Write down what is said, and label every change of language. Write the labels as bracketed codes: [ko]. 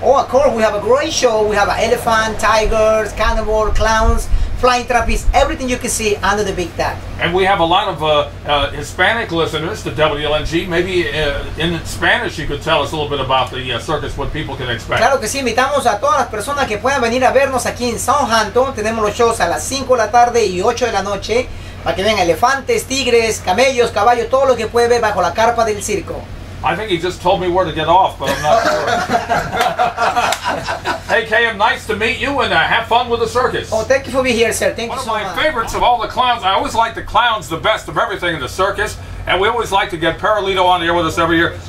[en] Oh, of course. We have a great show. We have an elephant, tigers, carnivore, clowns, flying trapeze, everything you can see under the big tag. And we have a lot of Hispanic listeners to WLNG. Maybe in Spanish you could tell us a little bit about the circus, what people can expect. [es] Claro que sí, invitamos a todas las personas que puedan venir a vernos aquí en Southampton. Tenemos los shows a las 5 de la tarde y 8 de la noche. Para que vean elefantes, tigres, camellos, caballos, todo lo que puede ver bajo la carpa del circo. [en] I think he just told me where to get off, but I'm not sure. Hey, KM, nice to meet you, and have fun with the circus. Oh, thank you for being here, sir. Thank one you so much. One of my favorites of all the clowns. I always like the clowns the best of everything in the circus, and we always like to get Paralito on here with us every year.